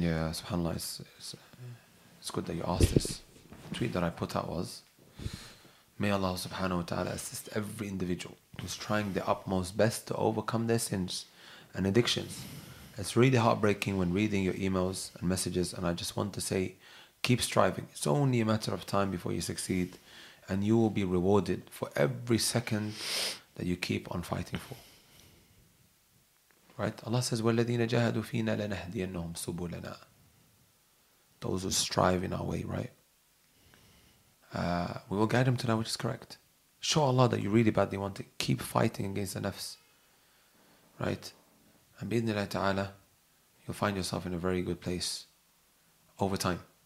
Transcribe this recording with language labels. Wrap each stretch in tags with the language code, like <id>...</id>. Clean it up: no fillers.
<en>SubhanAllah, it's good that you asked this. The tweet that I put out was, may Allah subhanahu wa ta'ala assist every individual who's trying their utmost best to overcome their sins and addictions. It's really heartbreaking when reading your emails and messages, and I just want to say, keep striving. It's only a matter of time before you succeed, and you will be rewarded for every second that you keep on fighting for. Right? Allah says,</en> <ar>وَالَّذِينَ جَاهَدُوا فِينَا لَنَهْدِيَنَّهُمْ سُبُلَنَا.</ar> <en>Those who strive in our way, right? We will guide them to that which is correct. Show Allah that you really badly want it. Keep fighting against the nafs. Right? And bi-idhnillahi ta'ala, you'll find yourself in a very good place over time.</en>